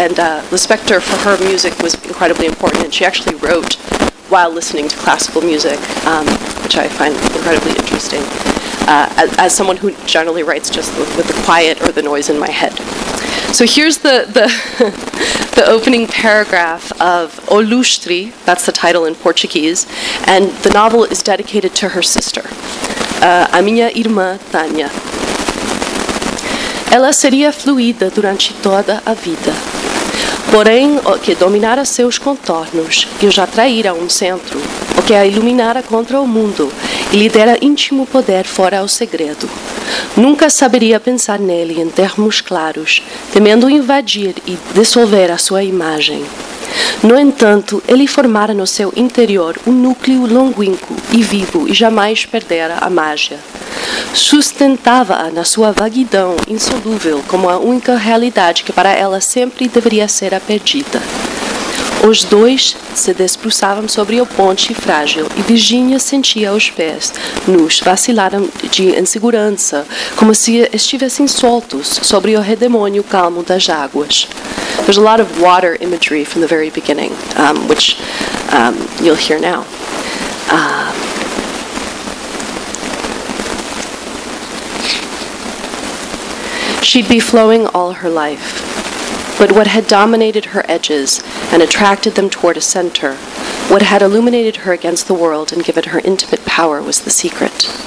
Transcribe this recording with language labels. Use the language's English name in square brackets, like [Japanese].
[English] And Lispector, for her, music was incredibly important, and she actually wrote while listening to classical music, which I find incredibly interesting, as someone who generally writes just with the quiet or the noise in my head. So here's the the opening paragraph of O Lustre, that's the title in Portuguese, and the novel is dedicated to her sister, [Portuguese] a minha irmã Tânia. Ela seria fluida durante toda a vida, porém o que dominara seus contornos e os atraíra a centro, o que a iluminara contra o mundo e lhe dera íntimo poder fora ao segredo. Nunca saberia pensar nele em termos claros, temendo invadir e dissolver a sua imagem. No entanto, ele formara no seu interior um núcleo longínquo e vivo e jamais perdera a mágia. Sustentava-a na sua vaguidão insolúvel como a única realidade que para ela sempre deveria ser a perdida. Os dois se debruçavam sobre o ponte frágil e Virginia sentia os pés nus vacilaram de insegurança, como se estivessem soltos sobre o redemoinho calmo das águas. [English] There's a lot of water imagery from the very beginning, which you'll hear now. She'd be flowing all her life. But what had dominated her edges and attracted them toward a center, what had illuminated her against the world and given her intimate power was the secret.